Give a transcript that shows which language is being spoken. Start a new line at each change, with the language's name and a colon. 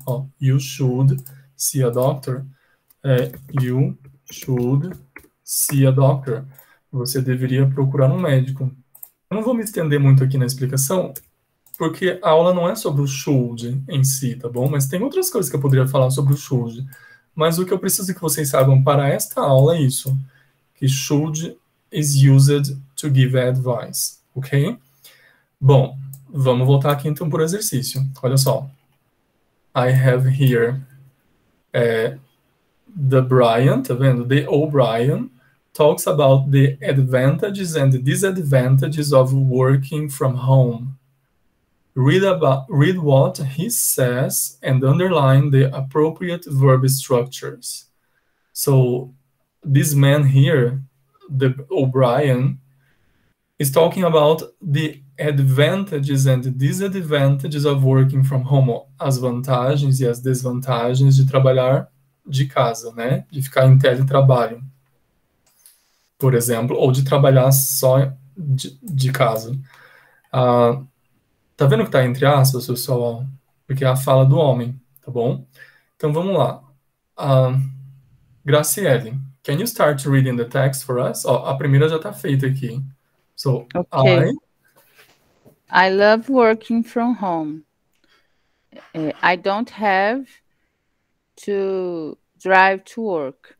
English: Oh, you should see a doctor. You should see a doctor.
Portuguese: Você deveria procurar um médico. Eu não vou me estender muito aqui na explicação, porque a aula não é sobre o should em si, tá bom? Mas tem outras coisas que eu poderia falar sobre o should. Mas o que eu preciso que vocês saibam para esta aula é isso.
English: Que should is used to give advice, ok?
Portuguese: Bom, vamos voltar aqui então para o exercício. Olha só.
English: I have here the Brian,
Portuguese: tá vendo?
English: The O'Brien talks about the advantages and the disadvantages of working from home. Read what he says and underline the appropriate verb structures. So, this man here, the O'Brien, is talking about the advantages and the disadvantages of working from home.
Portuguese: As vantagens e as desvantagens de trabalhar de casa, né? De ficar em teletrabalho, por exemplo, ou de trabalhar só de casa. Tá vendo que tá entre aspas, pessoal? Porque é a fala do homem, tá bom? Então vamos lá.
English: Graciele, can you start reading the text for us?
Portuguese: Ó, a primeira já está feita aqui. So,
English: okay. I love working from home. I don't have to drive to work.